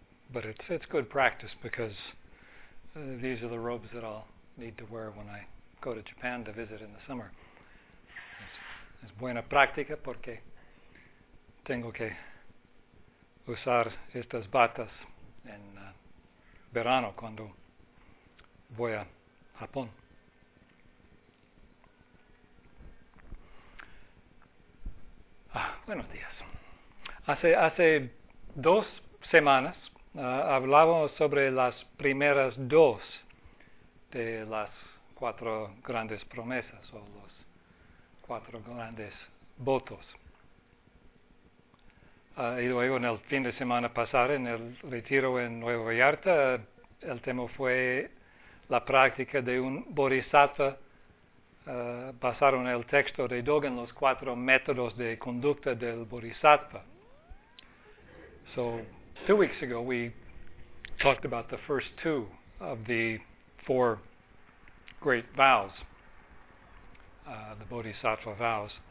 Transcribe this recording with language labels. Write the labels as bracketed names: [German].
[English] But it's good practice because these are the robes that I'll need to wear when I go to Japan to visit in the summer. [Spanish] Es buena práctica porque tengo que usar estas batas en verano cuando voy a Japón. Ah, buenos días. Hace 2 semanas hablamos sobre las primeras dos de las cuatro grandes promesas o los cuatro grandes votos. Y luego en el fin de semana pasado, en el retiro en Nueva Vallarta, el tema fue la práctica de un bodhisattva basado en el texto de Dogen, los cuatro métodos de conducta del bodhisattva. [English] So, 2 weeks ago we talked about the first two of the four great vows, the Bodhisattva vows.